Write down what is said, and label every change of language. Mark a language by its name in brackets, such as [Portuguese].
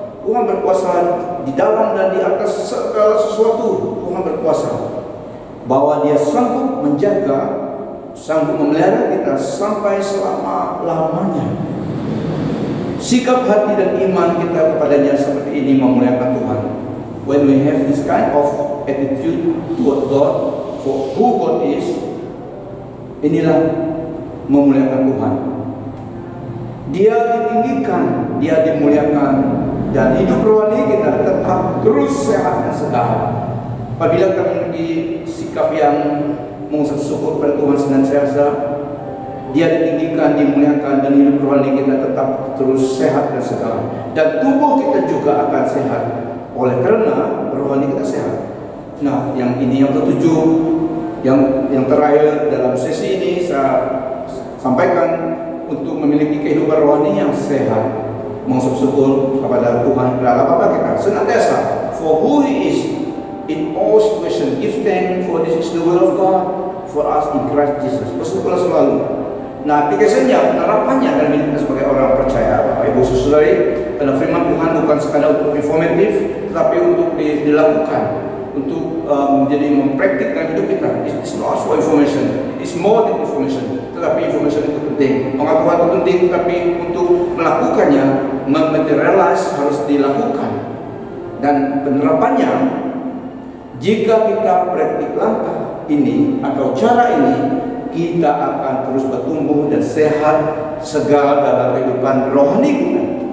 [Indonesian] Tuhan berkuasa di dalam dan di atas segala sesuatu. Tuhan berkuasa bahwa Dia sanggup menjaga, sanggup memelihara kita sampai selama-lamanya. Sikap hati dan iman kita kepadanya seperti ini memuliakan Tuhan. [English] When we have this kind of attitude toward God, for who God is, [Indonesian] inilah memuliakan Tuhan. Dia ditinggikan, Dia dimuliakan, dan hidup rohani kita tetap terus sehat dan segar. Apabila kita memiliki sikap yang mengucap syukur kepada Tuhan senantiasa, Dia ditinggikan, dimuliakan, dan hidup rohani kita tetap terus sehat dan segar. Dan tubuh kita juga akan sehat oleh karena rohani kita sehat. Nah, yang ini yang ketujuh, yang terakhir dalam sesi ini saya sampaikan. Untuk memiliki kehidupan rohani yang sehat, mengucap syukur kepada Tuhan adalah apa kita senantiasa. [English] For who He is in all situations, give thanks, for this is the will of God for us in Christ Jesus. [Indonesian] Bersyukur selalu. Nah, aplikasinya, penerapannya dalam hidup kita sebagai orang percaya, Bapak Ibu Saudari, karena firman Tuhan bukan sekadar untuk informatif, tetapi untuk dilakukan, untuk menjadi mempraktikkan hidup kita. [English] It's not for information, it's more than information. [Indonesian] Tetapi information itu penting, pengakuan itu penting, tapi untuk melakukannya, mematerialis harus dilakukan. Dan penerapannya, jika kita praktik langkah ini atau cara ini, kita akan terus bertumbuh dan sehat segar dalam kehidupan rohani kita.